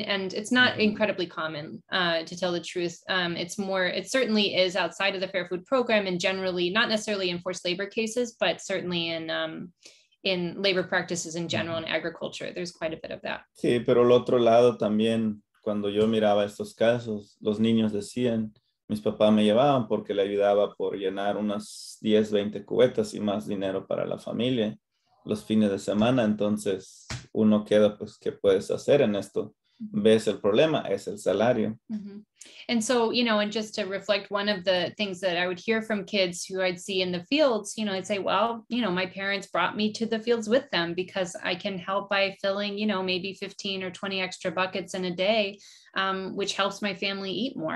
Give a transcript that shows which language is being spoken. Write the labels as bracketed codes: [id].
[en] And it's not incredibly common, to tell the truth. It certainly is outside of the Fair Food Program, and generally not necessarily in forced labor cases, but certainly in labor practices in general and agriculture, there's quite a bit of that. [es] Sí, pero el otro lado también, cuando yo miraba estos casos, los niños decían, mis papás me llevaban porque le ayudaba por llenar unas 10, 20 cubetas y más dinero para la familia los fines de semana. Entonces uno queda, pues, ¿qué puedes hacer en esto? Ves el problema, es el salario. [en] And so, you know, and just to reflect, one of the things that I would hear from kids who I'd see in the fields, you know, I'd say, well, you know, my parents brought me to the fields with them because I can help by filling, you know, maybe 15 or 20 extra buckets in a day, which helps my family eat more.